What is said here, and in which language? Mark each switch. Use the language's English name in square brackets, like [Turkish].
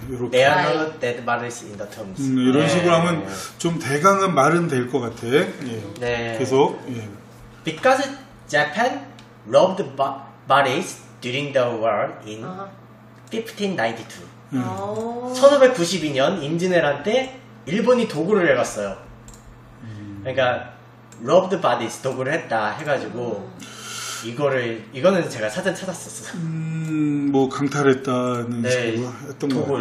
[English] There are no dead bodies in the tombs. [Korean] 이런 네. 식으로 하면 좀 대강은 말은 될 것 같아. 예. 네. 계속. 예. [English] Because Japan robbed bodies during the war in 1592. [Korean] 1592년 임진왜란 때 일본이 도굴을 해갔어요. 그러니까 [English] robbed bodies [Korean] 도굴을 했다 해가지고 이거는 제가 사전 찾았었어요. 뭐 강탈했다는 네, 식으로 했던 도굴,